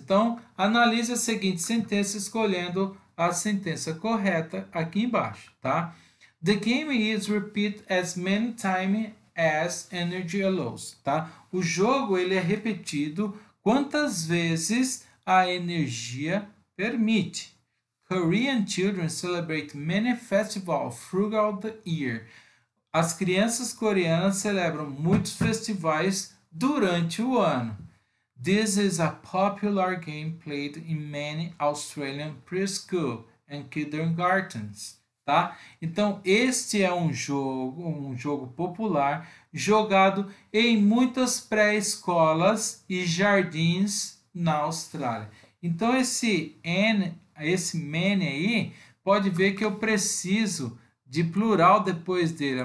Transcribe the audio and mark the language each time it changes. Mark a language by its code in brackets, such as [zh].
[pt] Então analise a seguinte sentença escolhendo a sentença correta aqui embaixo, tá? [en] The game is repeat as many times as energy allows, [pt] tá? O jogo ele é repetido quantas vezes a energia permite. [en] Korean children celebrate many festivals throughout the year. [pt] As crianças coreanas celebram muitos festivais durante o ano. [en] This is a popular game played in many Australian preschool and kindergartens. [pt] Tá? Então, este é um jogo popular jogado em muitas pré-escolas e jardins na Austrália. Então, esse many aí, pode ver que eu preciso de plural depois dele.